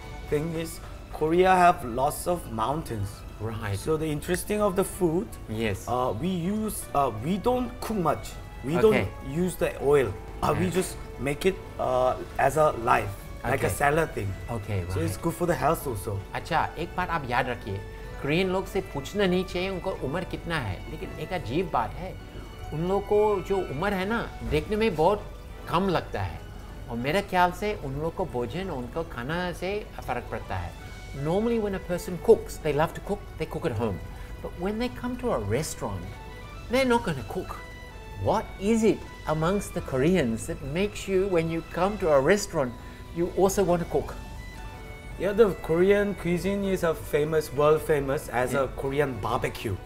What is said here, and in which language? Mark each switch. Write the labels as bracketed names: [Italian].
[English] Thing is, Korea have lots of mountains. Right. So the interesting of the food, yes. We don't cook much. We don't use the oil. We just make it as a life. Like a salad thing. Okay, right. So it's good for the health also. [Hindi] अच्छा एक बात आप याद रखिए Korean लोग से पूछना नहीं चाहिए उनको उम्र कितना है लेकिन एक अजीब बात है उन लोग को जो उम्र है ना देखने में बहुत कम लगता है और मेरे ख्याल से उन लोग को भोजन उनको खाना से फर्क पड़ता है [English] Normally when a person cooks, they love to cook, they cook at home. But when they come to a restaurant, they're not going to cook. What is it amongst the Koreans that makes you, when you come to a restaurant, you also want to cook? Yeah, the Korean cuisine is a famous, world famous as a Korean barbecue.